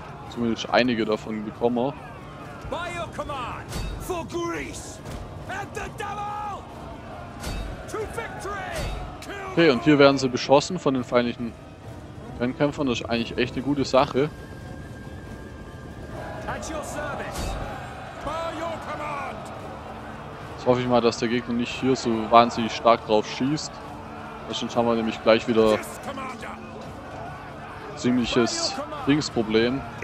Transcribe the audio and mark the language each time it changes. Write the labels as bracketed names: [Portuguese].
[German] Zumindest einige davon bekommen. [English] By your command, for Greece and the devil, to victory. [German] Okay, und hier werden sie beschossen von den feindlichen Fernkämpfern. Das ist eigentlich echt eine gute Sache. [English] At your service. By your command. [German] Jetzt hoffe ich mal, dass der Gegner nicht hier so wahnsinnig stark drauf schießt. Sonst haben wir nämlich gleich wieder ziemliches Dingsproblem.